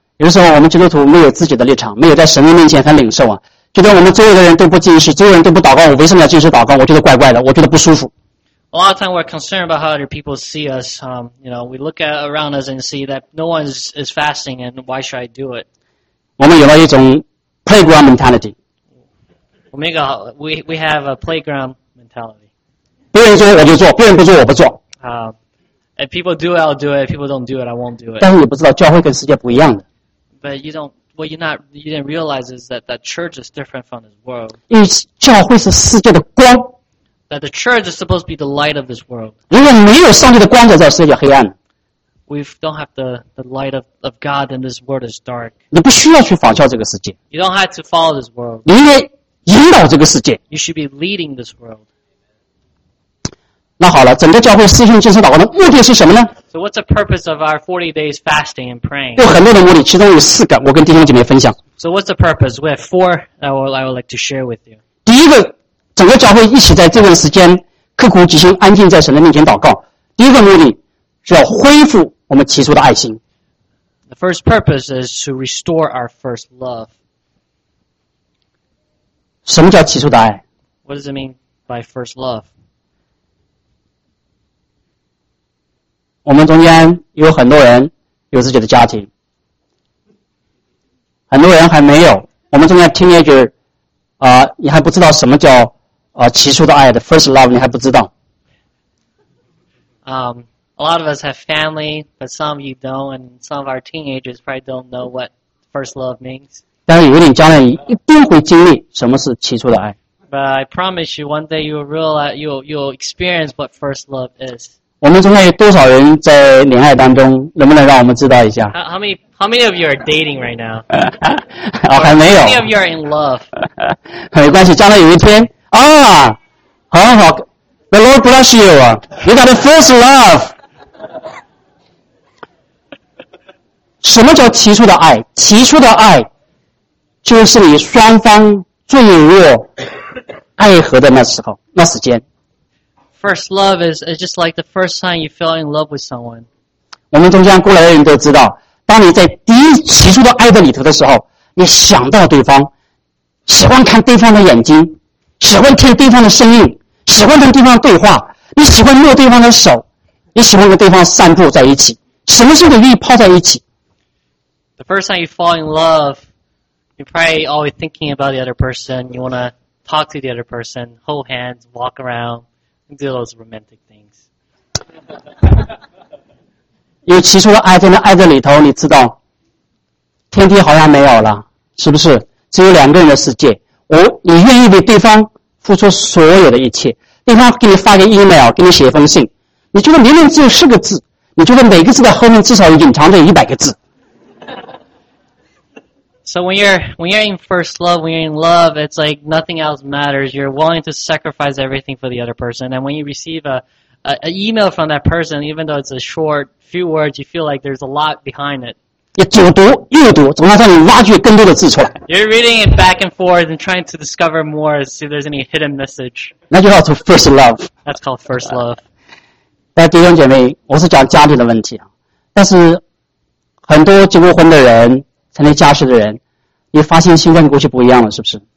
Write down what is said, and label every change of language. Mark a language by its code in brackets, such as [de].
[zh] 有的时候我们基督徒没有自己的立场，没有在神的面前很领受啊，觉得我们周围的人都不进食，周围人都不祷告，我为什么要进食祷告？我觉得怪怪的，我觉得不舒服。 [en] A lot of time we're concerned about how other people see us. You know, we look at around us and see that no one is fasting, and why should I do it? [zh] 我们有了一种 [en] playground mentality. We have a playground mentality. [zh] 别人做我就做，别人不做我不做。 [en] If people do it, I'll do it. If people don't do it, I won't do it. [zh] 但是你不知道教会跟世界不一样的。 [en] But you don't. What you didn't realize is that church is different from this world. [zh] 因为教会是世界的光。 [en] That the church is supposed to be the light of this world. [zh] 如果没有上帝的光照，这世界黑暗。 [en] We don't have the light of God, and this world is dark. [zh] 你不需要去仿效这个世界。 [en] You don't have to follow this world. [zh] 你应该引导这个世界。 [en] You should be leading this world. [zh] 那好了，整个教会四旬进食祷告的目的是什么呢？ [en] So what's the purpose of our 40 days fasting and praying? [zh] 有很多的目的，其中有四个我跟弟兄姐妹分享。 [en] So what's the purpose? We have four that I would like to share with you. [zh] 第一个。整个教会一起在这段时间刻苦己心安静在神的面前祷告。第一个目的是要恢复我们起初的爱心。 [en] The first purpose is to restore our first love. [zh] 什么叫起初的爱？ [en] What does it mean by first love? [zh] 我们中间有很多人有自己的家庭。很多人还没有。我们中间 teenager, 你还不知道什么叫起初的爱 [en] the first love, [zh] 你还不知道。 [en] A lot of us have family, but some of you don't, and some of our teenagers probably don't know what first love means. [zh] 但是有一点将来一定会经历什么是起初的爱。 [en] But I promise you, one day you'll realize, you'll experience what first love is. [zh] 我们中间有多少人在恋爱当中，能不能让我们知道一下？ [en] How many of you are dating right now? [zh] 还没有。 [en] How many of you are in love? [zh] 没关系，将来有一天好好 [en] The Lord bless you. You got the first love. [zh] 什么叫起初的爱？起初的爱就是你双方坠入爱河的那时候，那时间。 [en] First love is just like the first time you fell in love with someone. [zh] 我们中间过来的人都知道，当你在第一起初的爱的里头的时候，你想到对方，喜欢看对方的眼睛。喜欢听对方的声音，喜欢跟对方对话，你喜欢握对方的手，你喜欢跟对方散步在一起，什么时候愿意泡在一起？ [en] The first time you fall in love, you're probably always thinking about the other person, you want to talk to the other person, hold hands, walk around, and do those romantic things. [zh] 有起初的爱，在那爱的里头，你知道，天地好像没有了，是不是？只有两个人的世界。你愿意为对方付出所有的一切，对方给你发个 email, 给你写一封信，你觉得明明只有四个字，你觉得每个字的后面至少隐藏着100个字。 [en] So when you're in first love, when you're in love, it's like nothing else matters. You're willing to sacrifice everything for the other person. And when you receive a email from that person, even though it's a short few words, you feel like there's a lot behind it. [zh] 你左读右读，总要让你挖掘更多的字出来。 [en] You're reading it back and forth and trying to discover more, see if there's any hidden message. [zh] 那就叫做 [en] first love. That's called first love. [zh] 但弟兄姐妹，我是讲家庭的问题啊。但是很多结过婚的人，成立家室的人，你发现心跟过去不一样了，是不是